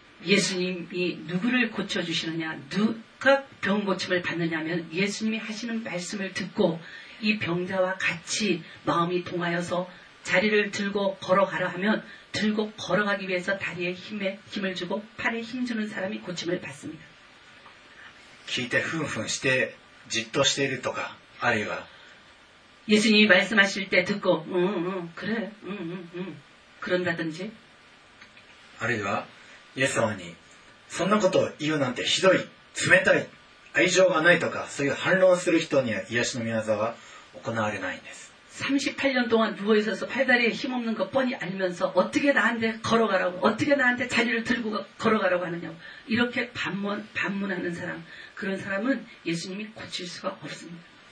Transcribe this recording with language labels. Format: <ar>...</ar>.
<ko>예수님이누구를고쳐주시느냐누가병고침을받느냐면예수님이하시는말씀을듣고이병자와같이마음이동하여서자리를들고걸어가라하면들고걸어가기위해서다리에힘을주고팔에힘주는사람이고침을받습니다。</ko> <ja>聞いてふんふんしてじっとしているとか、あるいは</ja> <ko>예수님이말씀하실때듣고그래그런다든지</ko> <ja>あるいはイエス様にそんなことを言うなんてひどい冷たい愛情がないとかそういう反論する人には癒しの御業は行われないんです。</ja> <ko>38년동안누워있어서팔다리에힘없는것뻔히알면서어떻게나한테걸어가라고어떻게나한테자리를들고걸어가라고하느냐고이렇게반문하는사람그런사람은예수님이고칠수가없습니다。</ko>